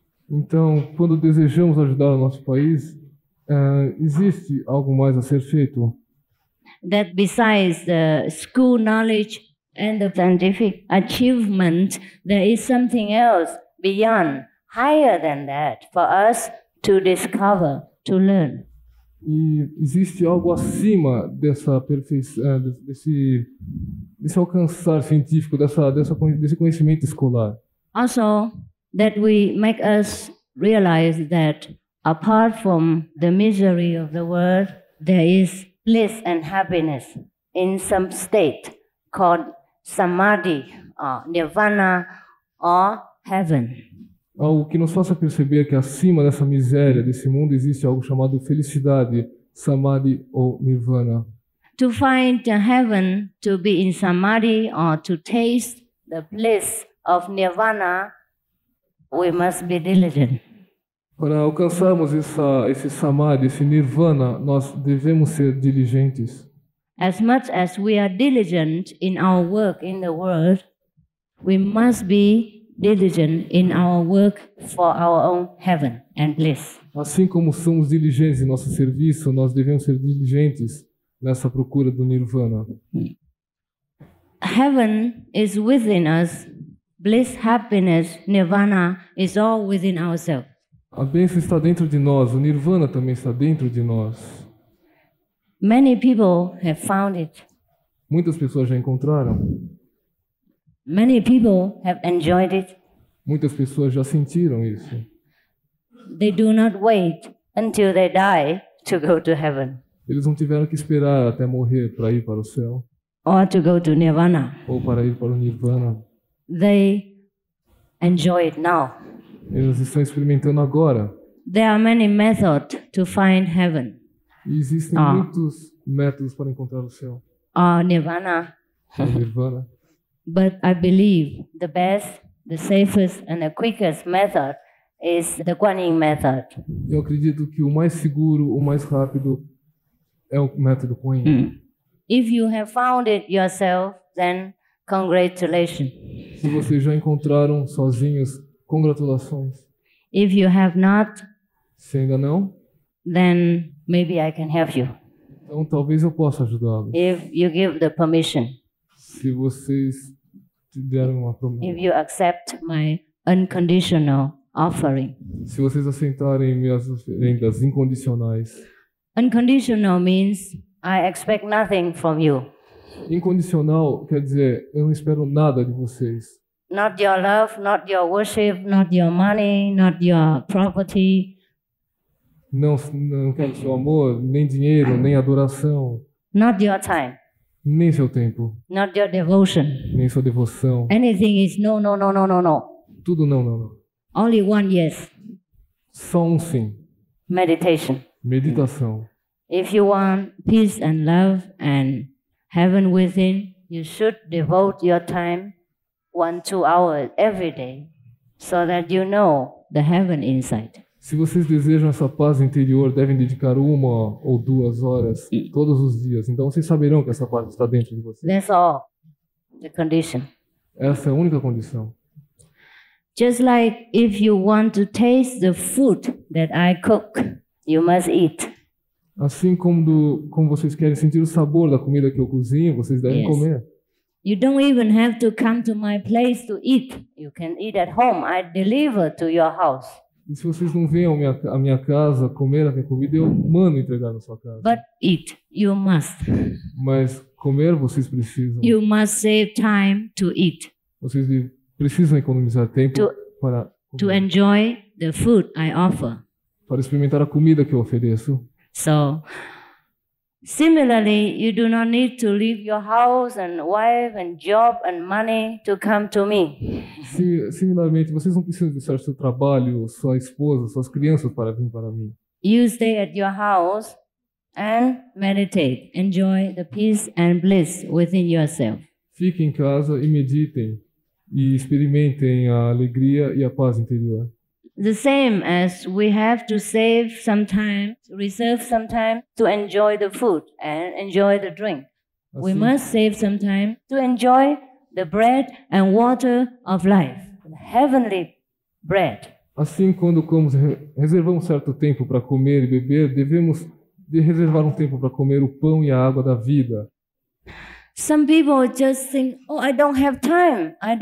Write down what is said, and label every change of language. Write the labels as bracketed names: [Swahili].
[Portuguese] Então, quando desejamos ajudar o nosso país, existe algo mais a ser feito? [English] That besides the school knowledge and the scientific achievement, there is something else beyond higher than that for us to discover, to learn. [Portuguese] E existe algo acima dessa perfeição, desse alcançar científico, desse conhecimento escolar. [English] Also, that we make us realize that apart from the misery of the world, there is bliss and happiness in some state called samadhi, or nirvana, or heaven. [Portuguese] Algo que nos faça perceber que acima dessa miséria, desse mundo, existe algo chamado felicidade, samadhi ou nirvana. [English] To find the heaven, to be in samadhi, or to taste the bliss of nirvana, we must be diligent. [Portuguese] Para alcançarmos esse samadhi, esse nirvana, nós devemos ser diligentes. [English] As much as we are diligent in our work in the world, we must be diligent in our work for our own heaven and bliss. [Portuguese] Assim como somos diligentes em nosso serviço, nós devemos ser diligentes nessa procura do nirvana. [English] Heaven is within us. Bliss, happiness, nirvana is all within ourselves. [Portuguese] A bênção está dentro de nós, o nirvana também está dentro de nós. [English] Many people have found it. [Portuguese] Muitas pessoas já encontraram. [English] Many people have enjoyed it. [Portuguese] Muitas pessoas já sentiram isso. [English] They do not wait until they die to go to heaven. [Portuguese] Eles não tiveram que esperar até morrer para ir para o céu. [English] Or to go to nirvana. [Portuguese] Ou para ir para o nirvana. [English] They enjoy it now. [Portuguese] Eles estão experimentando agora. [English] There are many methods to find heaven. [Portuguese] Existem muitos métodos para encontrar o céu. [English] Nirvana. [Portuguese] Nirvana. [English] But I believe the best, the safest and the quickest method is the Guanyin method. [Portuguese] Eu acredito que o mais seguro, o mais rápido é o método Guanyin. [English] If you have found it yourself, then congratulations. [Portuguese] Se vocês já encontraram sozinhos, congratulações. [English] If you have not, [Portuguese] se ainda não, [English] then maybe I can help you. [Portuguese] Então talvez eu possa ajudá-los. [English] If you give the permission. [Portuguese] Se vocês deram uma promessa. [English] If you accept my unconditional offering. [Portuguese] Se vocês aceitarem minhas oferendas incondicionais. [English] Unconditional means I expect nothing from you. [Portuguese] Incondicional quer dizer eu não espero nada de vocês. [English] Not your love, not your worship, not your money, not your property. [Portuguese] Não quero seu amor, nem dinheiro, nem adoração. [English] Not your time. [Portuguese] Nem seu tempo. [English] Not your devotion. [Portuguese] Nem sua devoção. [English] Anything is no, no, no, no, no, no. [Portuguese] Tudo não, não, não. [English] Only one yes. [Portuguese] Só um sim. [English] Meditation. [Portuguese] Meditação. [English] If you want peace and love and heaven within, you should devote your time 1-2 hours every day so that you know the heaven inside. [Portuguese] Se vocês desejam essa paz interior, devem dedicar 1 ou 2 horas todos os dias. Então vocês saberão que essa paz está dentro de vocês. [English] That's all. The condition. [Portuguese] Essa é a única condição. [English] Just like if you want to taste the food that I cook, you must eat. [Portuguese] Assim como como vocês querem sentir o sabor da comida que eu cozinho, vocês devem comer. [English] You don't even have to come to my place to eat. You can eat at home. I deliver to your house. [Portuguese] E se vocês não vêm à minha casa comer a minha comida, eu mando entregar na sua casa. [English] But eat, you must. [Portuguese] Mas comer vocês precisam. [English] You must save time to eat. [Portuguese] Vocês precisam economizar tempo para comer. [English] To enjoy the food I offer. [Portuguese] Para experimentar a comida que eu ofereço. [English] So, similarly, you do not need to leave your house and wife and job and money to come to me. [Portuguese] Similarmente, vocês não precisam deixar seu trabalho, sua esposa, suas crianças para vir para mim. [English] You stay at your house and meditate, enjoy the peace and bliss within yourself. [Portuguese] Fique em casa e meditem e experimentem a alegria e a paz interior. [English] The same as we have to save some time, reserve some time to enjoy the food and enjoy the drink. [Portuguese] Assim, [English] we must save some time to enjoy the bread and water of life, heavenly bread. [Portuguese] Assim, quando reservamos certo tempo para comer e beber, devemos reservar tempo para comer o pão e a água da vida. [English] Some people just think, oh, I don't have time.